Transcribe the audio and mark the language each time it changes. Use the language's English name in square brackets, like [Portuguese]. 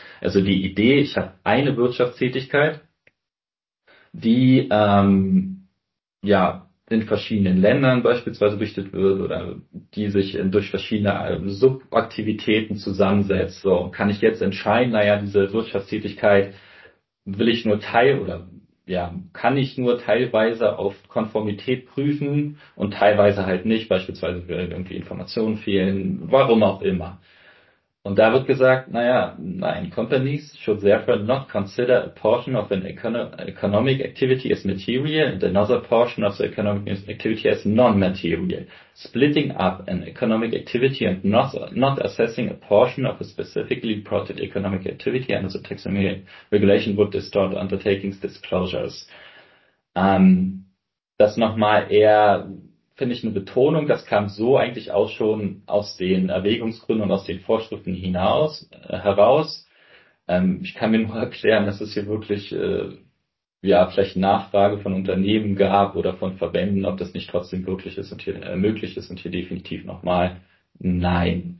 [German] Also die Idee, ich habe eine Wirtschaftstätigkeit, die ja in verschiedenen Ländern beispielsweise berichtet wird oder die sich durch verschiedene Subaktivitäten zusammensetzt. So, kann ich jetzt entscheiden, naja, diese Wirtschaftstätigkeit will ich nur teil oder ja, kann ich nur teilweise auf Konformität prüfen und teilweise halt nicht, beispielsweise wenn irgendwie Informationen fehlen, warum auch immer. Und da wird gesagt, naja, nein, [English] companies should therefore not consider a portion of an economic activity as material and another portion of the economic activity as non-material. Splitting up an economic activity and not assessing a portion of a specifically reported economic activity under the taxonomy regulation would distort undertakings disclosures. [German] Das nochmal eher, finde ich, eine Betonung, das kam so eigentlich auch schon aus den Erwägungsgründen und aus den Vorschriften hinaus heraus. Ich kann mir nur erklären, dass es hier wirklich ja vielleicht Nachfrage von Unternehmen gab oder von Verbänden, ob das nicht trotzdem wirklich ist und hier möglich ist und hier definitiv nochmal nein.